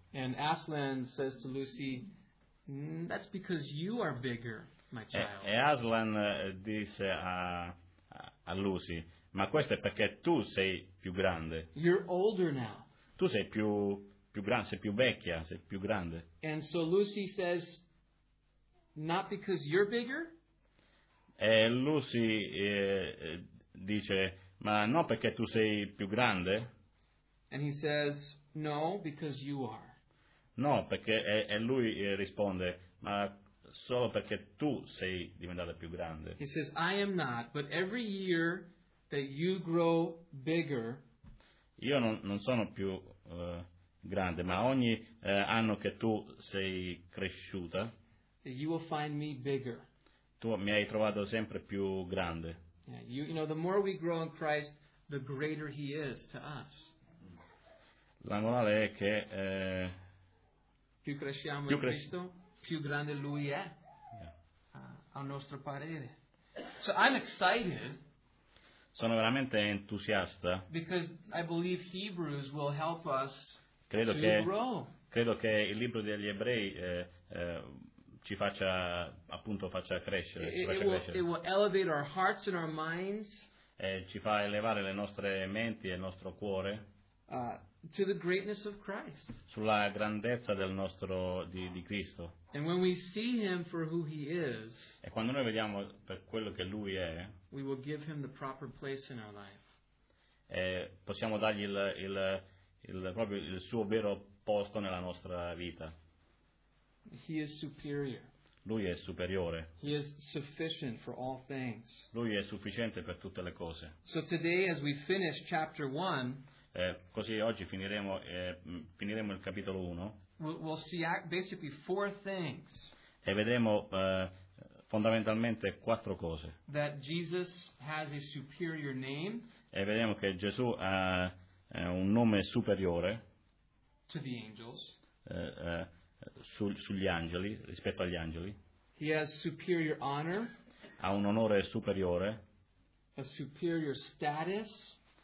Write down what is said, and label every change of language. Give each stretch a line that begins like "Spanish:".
English: And Aslan says to Lucy, "That's because you are bigger, my child."
Italian: E Aslan disse a Lucy, "Ma questo è perché tu sei più grande."
English: You're older now.
Italian: Tu sei più grande, sei più vecchia, sei più grande.
English: And so Lucy says, "Not because you're bigger."
Italian: E Lucy dice, "Ma non perché tu sei più grande."
English: And he says, "No, because you are."
Italian: No, perché e lui risponde, ma solo perché tu sei diventata più grande.
English: He says, "I am not, but every year that you grow bigger."
Italian: Io non sono più grande, ma ogni anno che tu sei cresciuta.
English: You will find me bigger.
Italian: Tu mi hai trovato sempre più grande.
English: Yeah, you know, the more we grow in Christ, the greater He is to us.
Italian: La morale è che più cresciamo in Cristo, più grande Lui è, a nostro parere.
English: So I'm excited.
Italian: Sono veramente entusiasta.
English: Because I believe Hebrews will help us to grow.
Italian: Credo che il libro degli Ebrei ci faccia, appunto, faccia crescere.
English: It will elevate our hearts and our minds.
Italian: Ci fa elevare le nostre menti e il nostro cuore.
English: To the greatness of Christ.
Italian: Sulla grandezza del nostro di Cristo.
English: And when we see him for who he is.
Italian: E quando noi vediamo per quello che lui è.
English: We will give him the proper place in our life.
Italian: Possiamo dargli il suo vero posto nella nostra vita.
English: He is superior.
Italian: Lui è superiore.
English: He is sufficient for all things.
Italian: Lui è sufficiente per tutte le cose.
English: So today, as we finish chapter 1.
Italian: Così oggi finiremo il capitolo 1.
English: We'll see basically four things.
Italian: E vedremo fondamentalmente quattro cose.
English: That Jesus has a superior name.
Italian: E vedremo che Gesù ha un nome superiore.
English: To the angels.
Italian: Sugli angeli, rispetto agli angeli.
English: He has superior honor.
Italian: Ha un onore superiore.
English: A superior status.